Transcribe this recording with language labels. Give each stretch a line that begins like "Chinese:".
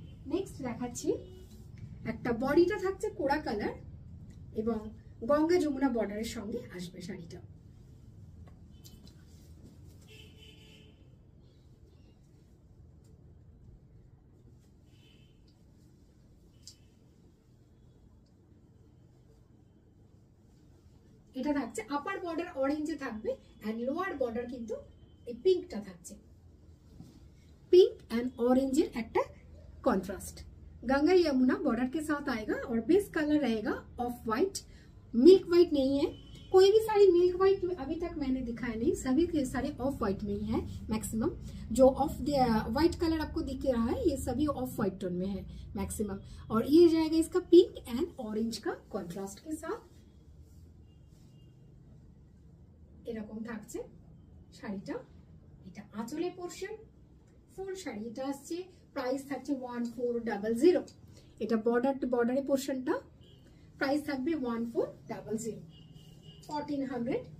Bangla: Next দেখাচ্ছি একটা বডিটা থাকছে কোরা কালার এবং গঙ্গা যমুনা বর্ডারের সঙ্গে আসবে শাড়িটা, এটা থাকছে আপার বর্ডার অরেঞ্জে থাকবে অ্যান্ড লোয়ার বর্ডার কিন্তু এই পিঙ্কটা থাকছে,
Hindi: pink and orange at a contrast. Ganga Yamuna border के साथ आएगा और बेस कलर रहेगा ऑफ व्हाइट, मिल्क व्हाइट नहीं है, कोई भी साड़ी मिल्क व्हाइट अभी तक मैंने दिखाया नहीं, सभी के सारे ऑफ व्हाइट में ही है। मैक्सिमम जो ऑफ व्हाइट कलर आपको दिख रहा है ये सभी ऑफ व्हाइट टोन में है मैक्सिमम, और ये जाएगा इसका पिंक एंड ऑरेंज का कॉन्ट्रास्ट के साथ।
Bangla: এরকম থাকছে শাড়িটা, এটা আঁচলে পোর্শন, ফুল শাড়িটা আসছে, প্রাইস থাকছে 1400। এটা বর্ডার টু বর্ডারে পোর্শনটা, প্রাইস থাকবে 1400, 1400।